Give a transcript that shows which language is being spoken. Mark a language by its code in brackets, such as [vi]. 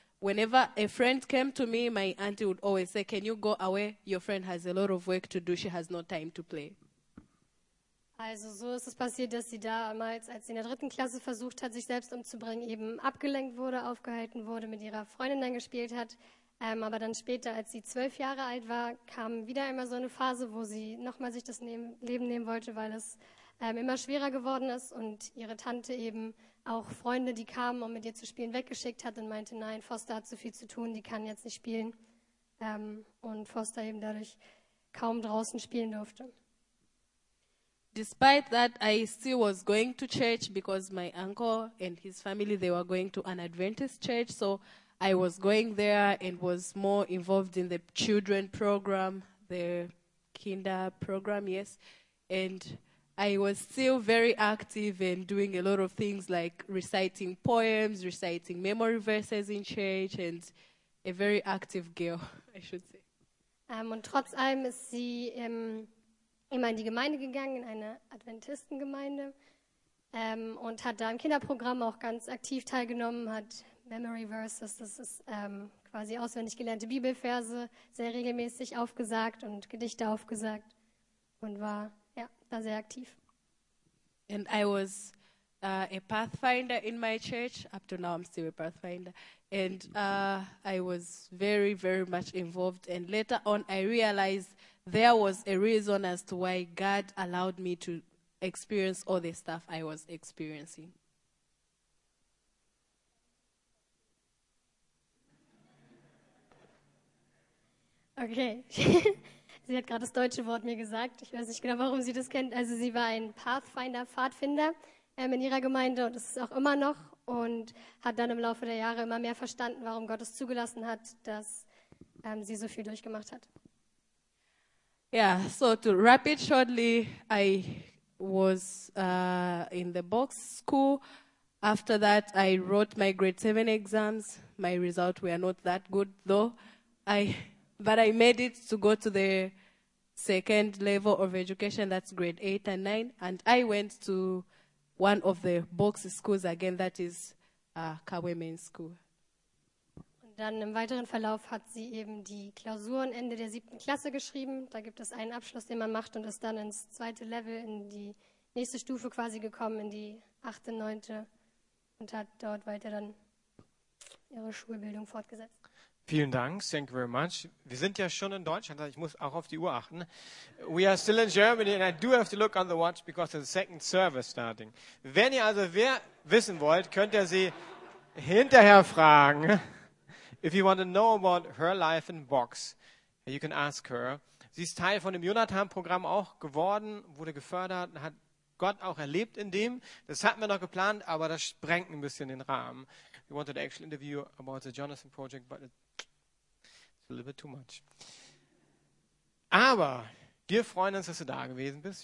[en] Whenever a friend came to me, my auntie would always say, can you go away? Your friend has a lot of work to do. She has no time to play. [de] Also so ist es passiert, dass sie damals, als sie in der dritten Klasse versucht hat, sich selbst umzubringen, eben abgelenkt wurde, aufgehalten wurde, mit ihrer Freundin dann gespielt hat. Aber dann später, als sie 12 Jahre alt war, kam wieder einmal so eine Phase, wo sie nochmal sich das Leben nehmen wollte, weil es immer schwerer geworden ist und ihre Tante eben auch Freunde, die kamen, um mit ihr zu spielen, weggeschickt hat und meinte, nein, Foster hat zu viel zu tun, die kann jetzt nicht spielen. Und Foster eben dadurch kaum draußen spielen durfte. [en] Despite that, I still was going to church because my uncle and his family, they were going to an Adventist church, so I was going there and was more involved in the children program, the Kinder program, yes. And I was still very active and doing a lot of things like reciting poems, reciting memory verses in church, and a very active girl, I should say. [de] Und trotz allem ist sie immer in die Gemeinde gegangen, in eine Adventistengemeinde, und hat da im Kinderprogramm auch ganz aktiv teilgenommen, hat Memory Verses, das ist quasi auswendig gelernte Bibelverse, sehr regelmäßig aufgesagt und Gedichte aufgesagt und war ja da sehr aktiv. [en] And I was a pathfinder in my church, up to now I'm still a pathfinder, and I was very, very much involved and later on I realized there was a reason as to why God allowed me to experience all the stuff I was experiencing. [de] Okay, sie hat gerade das deutsche Wort mir gesagt. Ich weiß nicht genau, warum sie das kennt. Also sie war ein Pathfinder, Pfadfinder in ihrer Gemeinde und das ist auch immer noch und hat dann im Laufe der Jahre immer mehr verstanden, warum Gott es zugelassen hat, dass sie so viel durchgemacht hat. [en] Yeah, so to wrap it shortly, I was in the box school. After that, I wrote my grade 7 exams. My results were not that good, though. But I made it to go to the second level of education, that's grade 8 and 9. And I went to one of the box schools again, that is Kawe Main School. [de] Und dann im weiteren Verlauf hat sie eben die Klausuren Ende der 7. Klasse geschrieben. Da gibt es einen Abschluss, den man macht und ist dann ins zweite Level, in die nächste Stufe quasi gekommen, in die 8. und 9. und hat dort weiter dann ihre Schulbildung fortgesetzt. Vielen Dank, [en] thank you very much. [de] Wir sind ja schon in Deutschland, ich muss auch auf die Uhr achten. [en] We are still in Germany and I do have to look on the watch because the second service starting. [de] Wenn ihr also mehr wissen wollt, könnt ihr sie hinterher fragen. [en] If you want to know about her life in Box, you can ask her. [de] Sie ist Teil von dem Jonathan-Programm auch geworden, wurde gefördert, hat Gott auch erlebt in dem. Das hatten wir noch geplant, aber das sprengt ein bisschen den Rahmen. [en] We wanted an actual interview about the Jonathan Project, but it's a little bit too much. [de] Aber wir freuen uns, dass du da gewesen bist.